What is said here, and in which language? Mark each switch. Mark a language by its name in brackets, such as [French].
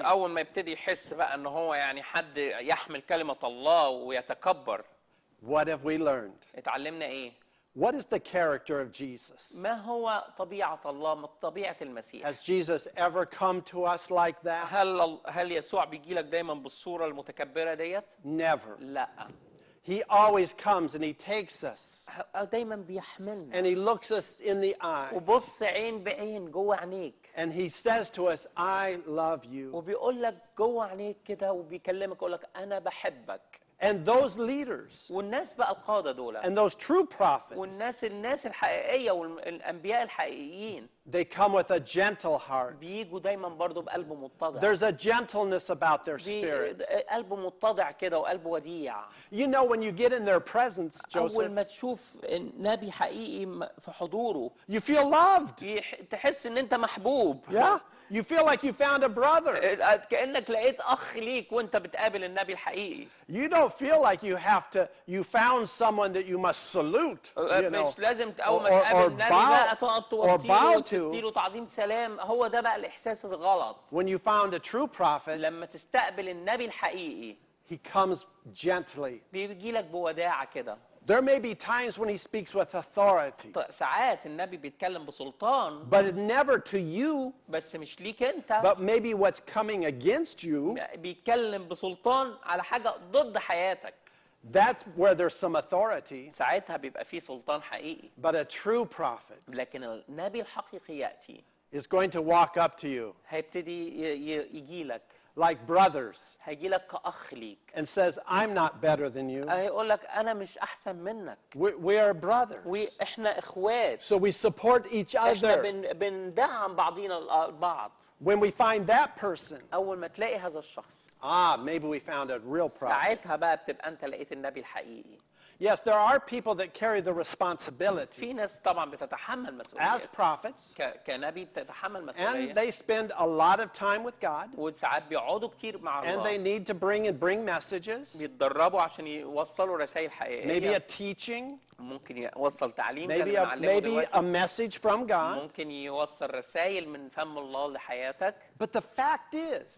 [Arabic] أول ما يبتدي يحس بقى إن هو يعني حد يحمل كلمة الله ويتكبر. [English] What have we learned? [Arabic] اتعلمنا ايه? [English] What is the character of Jesus? [Arabic] ما هو طبيعة الله, طبيعة المسيح? [English] Has Jesus ever come to us like that? [Arabic] هل يسوع بيجي لك دايما بالصورة المتكبرة ديت? [English] Never. [Arabic] لا. [English] He always comes and he takes us. [Arabic] دايما بيحملنا. [English] And he looks us in the eye. [Arabic] وبص عين بعين جوه عينيك. [English] And he says to us, I love you. [Arabic] وبيقول لك جوه عينيك كده وبيكلمك يقول لك انا بحبك. [English] And those leaders, [Arabic] والناس بقى القادة دولة, [English] and those true prophets, [Arabic] والناس الحقيقية والأنبياء الحقيقيين, [English] they come with a gentle heart. [Arabic] بيجوا دايما برضو بقلب متضع. [English] There's a gentleness about their spirit. [Arabic] قلب متضع كده وقلب وديع. [English] You know when you get in their presence, Joseph. [Arabic] أول ما تشوف النبي حقيقي في حضوره, [English] you feel loved. [Arabic] تحس إن أنت محبوب. [English] Yeah. You feel like you found a brother. [Arabic] كأنك لقيت أخ ليك وأنت بتقابل النبي الحقيقي. [English] You don't feel like you have to. You found someone that you must salute. [Arabic] مش لازم أول ما تقابل النبي لا تقعد توطيله وتديله تعظيم سلام. هو ده بقى الإحساس الغلط. [English] When you found a true prophet. [Arabic] لما تستقبل النبي الحقيقي. [English] He comes gently. [Arabic] بيجي لك بوداعة كده. [English] There may be times when he speaks with authority. [Arabic] ساعات النبي بيتكلم بسلطان. [English] But never to you. [Arabic] بس مش ليك انت. [English] But maybe what's coming against you. [Arabic] بيتكلم بسلطان على حاجة ضد حياتك. [English] That's where there's some authority. [Arabic] ساعتها بيبقى فيه سلطان حقيقي. [English] But a true prophet. [Arabic] لكن النبي الحقيقي يأتي. [English] Is going to walk up to you. [Arabic] هيبتدي يجي لك. [English] Like brothers, [Arabic] هيجي لك كأخ ليك. [English] And says, "I'm not better than you." [Arabic] هيقول لك أنا مش أحسن منك. [English] We are brothers. [Arabic] وإحنا إخوات. [English] So we support each other. [Arabic] إحنا بندعم بعضينا البعض. [English] When we find that person, [Arabic] أول ما تلاقي هذا الشخص. [English] Ah, maybe we found a real prophet. [Arabic] ساعتها بقى بتبقى أنت لقيت النبي الحقيقي. [English] Yes, there are people that carry the responsibility. [Arabic] في ناس طبعا بتتحمل مسؤولية. [English] As prophets. [Arabic] كنبي بتتحمل مسؤولية. [English] And they spend a lot of time with God. [Arabic] وساعات بيقعدوا كتير مع الله. [English] And they need to bring messages. [Arabic] بيتدربوا عشان يوصلوا رسائل حقيقية. [English] Maybe a teaching. [Arabic] ممكن يوصل تعليم. [English] Maybe a message from God. [Arabic] ممكن يوصل رسائل من فم الله لحياتك. [English] But the fact is.